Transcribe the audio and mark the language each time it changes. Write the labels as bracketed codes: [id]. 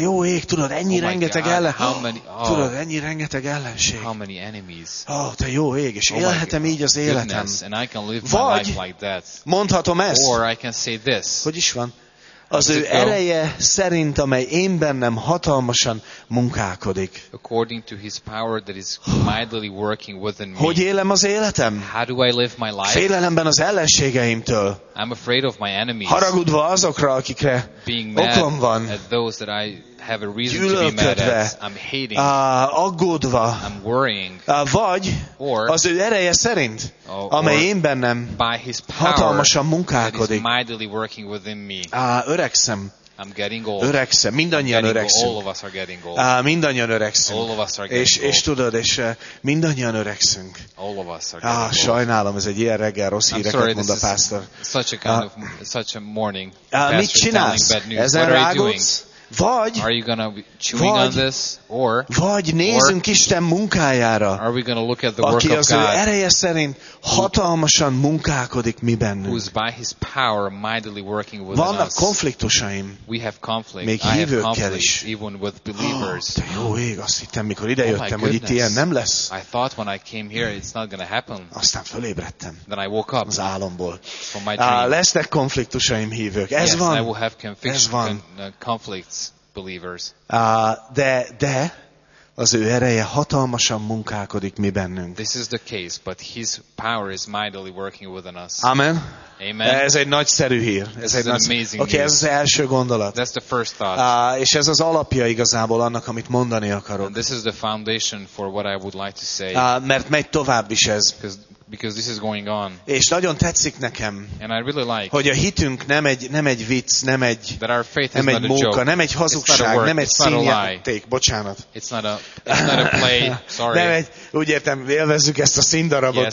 [hu] Jó ég, tudod, ennyi rengeteg ellenség. [en] How many enemies? [hu] Oh, te jó ég, és élhetem így az életem. Vagy mondhatom ezt, hogy is van, az ő ereje szerint, amely én bennem hatalmasan munkálkodik. [en] According to his power that is mightily working within me. [hu] Hogy élem az életem? [en] How do I live my life? [hu] Félelemben az ellenségeimtől. [en] I'm afraid of my enemies. [hu] Haragudva azokra, akikre okom van. [en] At those that I have a reason to be mad at. I'm hating. [hu] Aggódva. [en] I'm worrying. [hu] Vagy az ő ereje szerint, amely én bennem hatalmasan munkálkodik. [en] Mightily working within me. [hu] Öregszem. [en] I'm getting old. [hu] Öregszem. Mindannyian öregszünk. [en] All of us are getting old. [hu] Mindannyian öregszünk. [en] All of us are getting old. [hu] És tudod, és mindannyian öregszünk. [en] All of us are getting old. [hu] Sajnálom, ez egy ilyen reggel rossz híreket mond a pásztor. [en] Such a kind of such a morning. [hu] Mit csinálsz? Ezen rágódsz? Vagy [en] are you gonna be chewing on this, or [hu] vagy nézünk Isten munkájára, [en] are we gonna look at the [hu] aki az ő ereje szerint hatalmasan munkálkodik mi bennünk. [en] Who's by his power mightily working within [hu] vannak konfliktusaim, [en] we have conflict, [hu] még hívőkkel is. [en] Even with believers. [hu] De jó ég, azt hittem, mikor idejöttem, hogy itt ilyen nem lesz. [en] I thought when I came here, it's not gonna happen. [hu] Aztán fölébredtem. [en] Then I woke up [hu] az álomból. [en] From my dream. [hu] Lesznek konfliktusaim, hívők. Ez [en] yes, [hu] van. [en] I will have conflict, [hu] ez van. [en] Conflict. Believers. [hu] De az ő ereje hatalmasan munkálkodik mi bennünk. [en] This is the case, but his power is mightily working within us. Amen. Amen. [hu] Ez egy nagyszerű hír. Ez egy [en] amazing. [hu] Okay, ez az első gondolat. [en] That's the first thought. [hu] És ez az alapja igazából annak, amit mondani akarok. [en] And this is the foundation for what I would like to say. [hu] Mert megy tovább is ez. [en] Because this is going on. [hu] És nagyon tetszik nekem, [en] and I really like, [hu] hogy a hitünk nem egy vicc, nem egy móka, nem egy hazugság, nem egy színjáték, bocsánat. [en] It's not a play, sorry. [hu] Nem egy, úgy értem, élvezzük ezt a színdarabot,